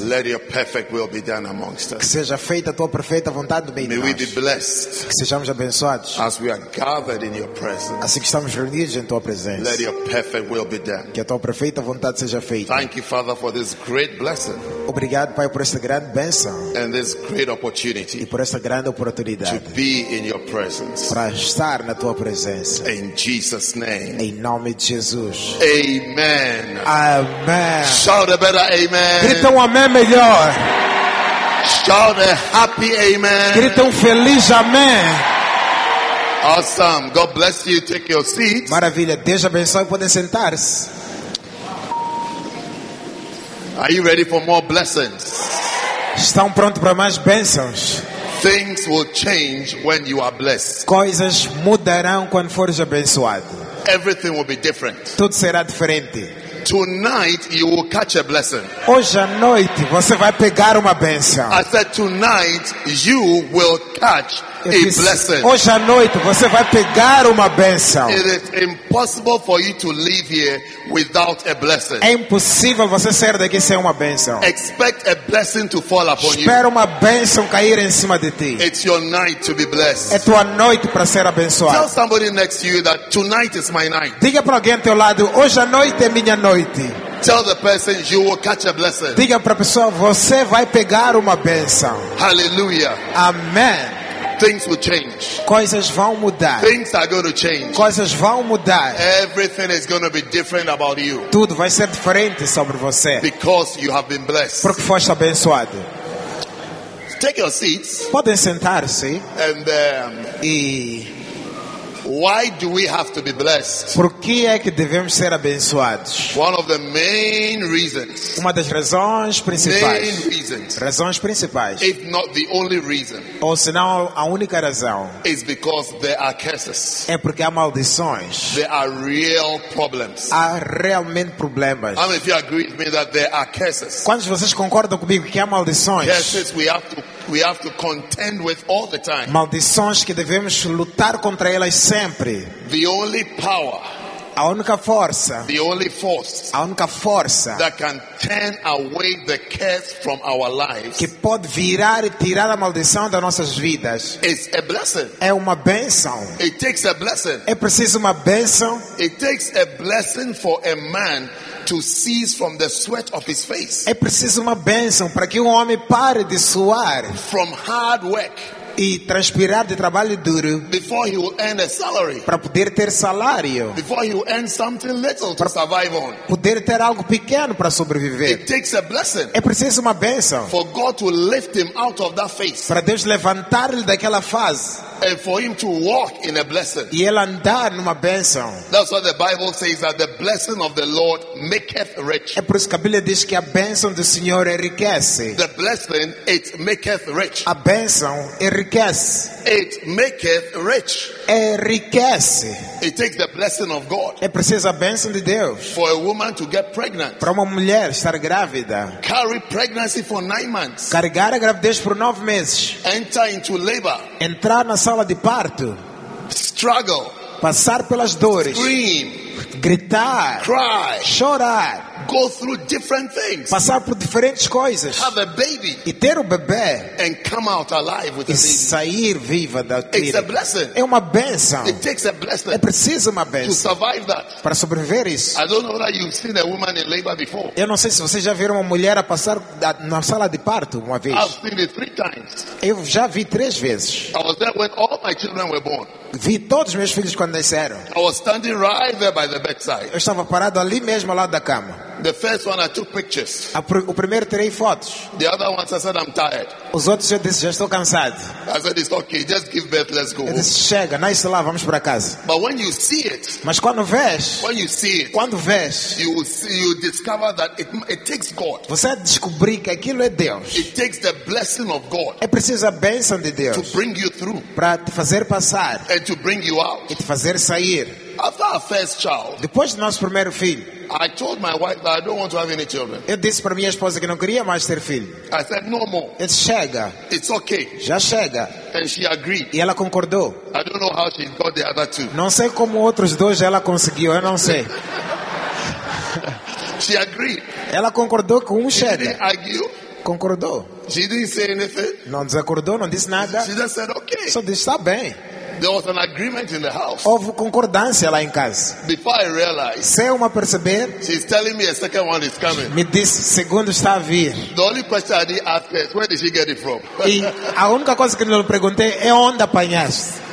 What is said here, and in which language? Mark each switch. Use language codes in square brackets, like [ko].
[en] Let your perfect will be done amongst us. [pt] Que seja feita a tua perfeita vontade no meio de nós. [en] May we be blessed. [pt] Que sejamos abençoados. [en] As we are gathered in your presence. [pt] Assim que estamos reunidos em tua presença. [en] Let your perfect will be done. [pt] Que a tua perfeita vontade seja feita. [en] Thank you, Father, for this great blessing. [pt] Obrigado, Pai, por esta grande bênção. [en] And this great opportunity. [pt] E por esta grande oportunidade. [en] To be in your presence. [pt] Para estar na tua presença. [en] In Jesus' name. [pt] Em nome de Jesus. [en] Amen. [pt] Amen. [en] Shout a better amen. [pt] Grita um amém melhor. [en] Shout a happy amen. [pt] Grita um feliz amém. [en] Awesome. God bless you. Take your seat. [pt] Maravilha. Deus abençoe. Podem sentar-se. [en] Are you ready for more blessings? [pt] Estão prontos para mais bênçãos? [en] Things will change when you are blessed. [pt] Coisas mudarão quando fores abençoado. [en] Everything will be different. [pt] Tudo será diferente. [en] Tonight you will catch a blessing. [pt] Hoje à noite você vai pegar uma bênção. [en] I said tonight you will catch a blessing. [pt] Hoje à noite você vai pegar uma bênção. [en] It is impossible for you to leave here without a blessing. [pt] É impossível você sair daqui sem uma bênção. [en] Expect a blessing to fall upon you. [pt] Espera uma bênção cair em cima de ti. [en] It's your night to be blessed. [pt] É tua noite para ser abençoado. [en] Tell somebody next to you that tonight is my night. [pt] Diga para alguém ao teu lado, hoje à noite é minha noite. [en] Tell the person you will catch a blessing. [pt] Diga para a pessoa, você vai pegar uma bênção. [en] Hallelujah. [pt] Amen. [en] Things will change. [pt] Coisas vão mudar. [en] Things are going to change. [pt] Coisas vão mudar. [en] Everything is going to be different about you. [pt] Tudo vai ser diferente sobre você. [en] Because you have been blessed. [pt] Porque foste abençoado. [en] Take your seats. [pt] Podem sentar-se. [en] And why do we have to be blessed? [pt] Por que é que devemos ser abençoados? [en] One of the main reasons. [pt] Uma das razões principais. [en] Main reasons. [pt] Razões principais. [en] If not the only reason. [pt] Ou senão a única razão. [en] Is because there are curses. [pt] É porque há maldições. [en] There are real problems. [pt] Há realmente problemas. [en] How many of you agree with me that there are curses? [pt] Quantos de vocês concordam comigo que há maldições? [en] Curses we have to contend with all the time. [pt] Maldições que devemos lutar contra elas sempre. [en] The only power, [pt] a única força, [en] the only force, [pt] a única força [en] that can turn away the curse from our lives, [pt] que pode virar e tirar a maldição das nossas vidas, [en] is a blessing. [pt] É uma bênção. [en] It takes a blessing. [pt] É preciso uma bênção. [en] It takes a blessing for a man to cease from the sweat of his face. [pt] É preciso uma bênção para que um homem pare de suar. [en] From hard work. [pt] E transpirar de trabalho duro. [en] Before he will earn a salary. [pt] Para poder ter salário. [en] Before he will earn something little to survive on. [pt] Poder ter algo pequeno para sobreviver. [en] It takes a blessing. [pt] É preciso uma bênção. [en] For God to lift him out of that phase. [pt] Para Deus levantar-lhe daquela fase. [en] and for him to walk in a blessing. [pt] E ele andar numa bênção. [en] That's what the Bible says, that the blessing of the Lord maketh rich. [pt] É por isso que a Bíblia diz que a bênção do Senhor enriquece. [en] The blessing, it maketh rich. [pt] A bênção enriquece. [en] It maketh rich. [pt] Enriquece. [en] It takes the blessing of God. [pt] É preciso a bênção de Deus. [en] For a woman to get pregnant. [pt] Para uma mulher estar grávida. [en] Carry pregnancy for 9 months. [pt] Carregar a gravidez por 9 meses. [en] Enter into labor. [pt] Entrar na sala de parto. [en] Struggle. [pt] Passar pelas dores. [en] Scream. [pt] Gritar. [en] Cry. [pt] Chorar. [en] Go through different things. [pt] Passar por diferentes coisas. [en] Have a baby. [pt] E ter o bebê. [en] And come out alive with [pt] e [en] the baby. [pt] Sair viva da criança. [en] It's a blessing. [pt] É uma bênção. [en] It takes a blessing. [pt] É preciso uma bênção. [en] To survive that. [pt] Para sobreviver isso. [en] I don't know that you've seen a woman in labor before. [pt] Eu não sei se você já viu uma mulher a passar na sala de parto uma vez. [en] I've seen it 3 times. [pt] Eu já vi 3 vezes. [en] I was there when all my children were born. [pt] Vi todos meus filhos quando nasceram. [en] I was standing right there by the bedside. [pt] Eu estava parado ali mesmo ao lado da cama. [en] The first one I took pictures. [pt] O primeiro tirei fotos. [en] The other ones I said I'm tired. [pt] Os outros eu disse já estou cansado. [en] I said it's okay, just give birth, let's go. [pt] Eu disse chega, nasce lá, vamos para casa. [en] But when you see it, [pt] mas quando vês, [en] when you see it, [pt] quando vês, [en] you discover that it takes God. [pt] Você descobre que aquilo é Deus. [en] It takes the blessing of God. [pt] É preciso a bênção de Deus. [en] To bring you through. [pt] Para te fazer passar. [en] And to bring you out. [pt] E te fazer sair. [en] After our first child, [pt] depois do nosso primeiro filho, [en] I told my wife that I don't want to have any children. [pt] Eu disse para minha esposa que não queria mais ter filho. [en] I said no more. [pt] It chega. [en] It's okay. [pt] Já chega. [en] And she agreed. [pt] E ela concordou. [en] I don't know how she got the other two. [pt] Não sei como outros dois ela conseguiu. Eu não sei. [en] She agreed. [pt] Ela concordou com um chega. [en] Did they argue? [pt] Concordou. [en] She didn't say anything. [pt] Não desacordou, não disse nada. [en] She just said okay. [pt] Só disse está bem. [en] There was an agreement in the house. [pt] Houve concordância lá em casa. [en] Before I realized, [pt] sem uma perceber, [en] she's telling me a second one is coming. [pt] Me disse, segundo está a vir. [en] The only question I did ask her is, where did she get it from? [pt] E a única coisa que lhe perguntei é onde apanhaste.